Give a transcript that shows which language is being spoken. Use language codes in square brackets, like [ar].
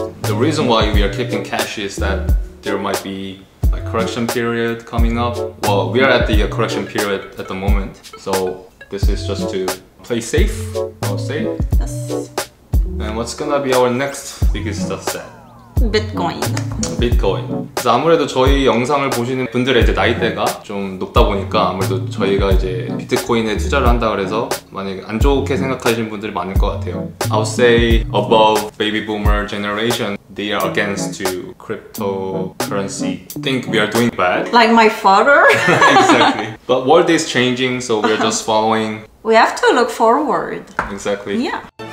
[en] The reason why we are keeping cash is that there might be a correction period coming up. Well, we are at the correction period at the moment. So this is just to play safe, I would say. Yes. And what's gonna be our next biggest asset? [ko] 비트코인. 비트코인. 그래서 아무래도 저희 영상을 보시는 분들의 이제 나이대가 좀 높다 보니까 아무래도 저희가 이제 비트코인에 투자를 한다 그래서 만약에 안 좋게 생각하시는 분들이 많을 것 같아요. [en] I would say above baby boomer generation they are against to cryptocurrency. Think we are doing bad. Like my father. Exactly. But world is changing, so we are just following. We have to look forward. Exactly. Yeah.